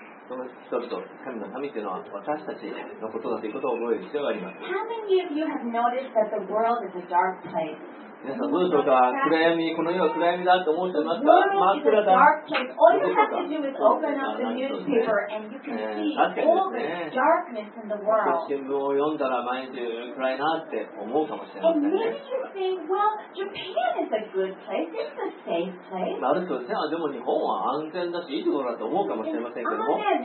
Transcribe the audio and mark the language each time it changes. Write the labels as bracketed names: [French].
[Japanese] その人々、神の民というのは私たちのことだということを覚える必要があります。 [English] How many of you have noticed that the world is a dark place? [Japanese] 皆さんどうでしょうか。暗闇、この世は暗闇だと思っていますか。 [English] The world is a dark place. All you have to do is open up the newspaper and you can see all the darkness in the world. [Japanese] 新聞を読んだら毎日暗いなって思うかもしれませんね。 [English] And maybe you say, well, Japan is a good place. It's a safe place. [Japanese] ある人ですね。でも日本は安全だし、いいところだと思うかもしれませんけども、